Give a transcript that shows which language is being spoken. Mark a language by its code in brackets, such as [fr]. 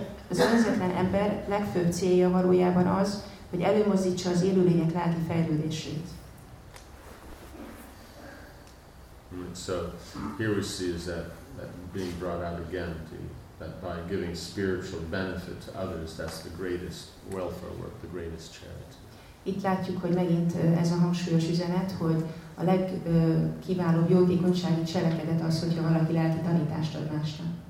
[hu] Az önzetlen ember legfőbb célja valójában az, hogy előmozdítsa az élőlények lelki fejlődését. [en] So here we see is that being brought out again, that by giving spiritual benefit to others, that's the greatest welfare work, the greatest charity. [hu] Itt látjuk, hogy megint ez a hangsúlyos üzenet, hogy a legkiválóbb jótékonysági cselekedet az, hogyha valaki lelki tanítást ad másra.